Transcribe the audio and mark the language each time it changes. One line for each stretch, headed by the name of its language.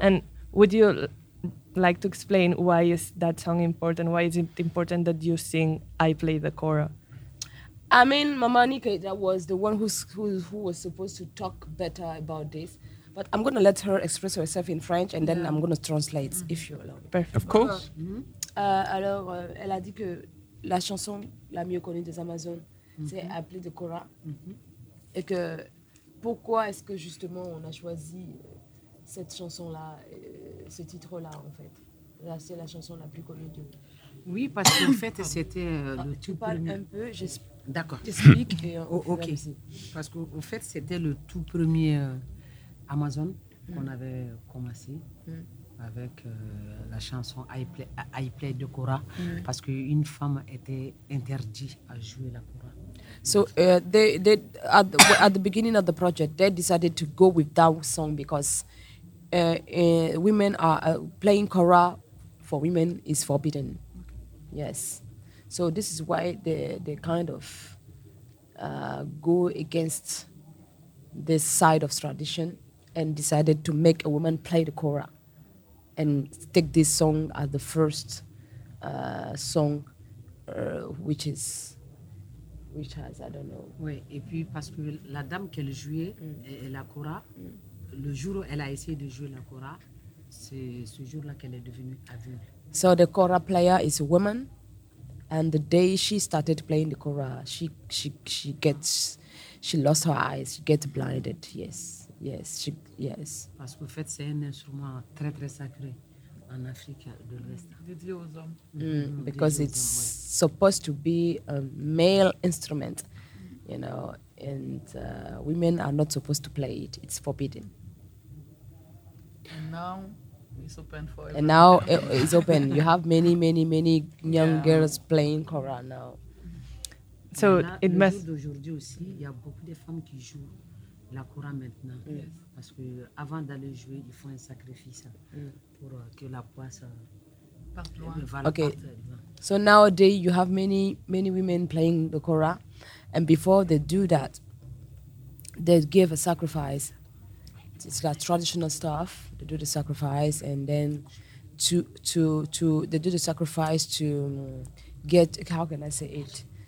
English: And would you like to explain why is that song important? Why is it important that you sing I Play the Kora? I mean, Mama Nika, that was the one who was supposed to talk better about this. But I'm going to let her express herself in French and then yeah. I'm going to translate mm-hmm. if you allow. Perfect. Of course.
French: Alors elle a dit que la chanson la mieux connue des Amazones mm-hmm. c'est appelée de Kora. Mm-hmm. Et que pourquoi est-ce que justement on a choisi cette chanson là ce titre là en fait. Là c'est la chanson la plus connue de. Oui, parce qu'en fait c'était le tout premier. Un peu, d'accord. J'explique
English: oh, OK.
French: Parce que en fait c'était le tout premier Amazon, mm. qu'on avait commencé mm. avec la chanson I Play de Kora, mm. parce qu'une femme était interdite à jouer la Kora.
English: So they at the beginning of the project, they decided to go with that song because women are playing Kora for women is forbidden. Okay. Yes, so this is why they kind of go against this side of tradition. And decided to make a woman play the Kora and take this song as the first song which has I don't know.
French: Oui, et puis parce que la dame qu'elle jouait mm. la Kora, mm. le jour où elle a essayé de jouer la Kora, c'est ce jour-là qu'elle est devenue aveugle.
English: So the Kora player is a woman, and the day she started playing the Kora, she lost her eyes, she gets blinded, yes. Yes, yes.
French: Parce qu'en fait, c'est un instrument très très sacré en Afrique de l'Ouest. Dédié aux hommes.
English: Because it's
French: hommes, ouais.
English: supposed to be a male instrument, you know, and women are not supposed to play it. It's forbidden. And now it's open for everyone. And now it's open. You have many, many, many young yeah. girls playing Kora now. So là, it must.
French: D'aujourd'hui aussi, il y a beaucoup de femmes qui jouent. La Kora maintenant, mm. parce que avant d'aller jouer, il faut un sacrifice mm. pour que la poisse parte loin.
English: Okay. So nowadays you have many many women playing the Kora, and before they do that, they give a sacrifice. It's like traditional stuff. They do the sacrifice and then to they do the sacrifice to get how can I say it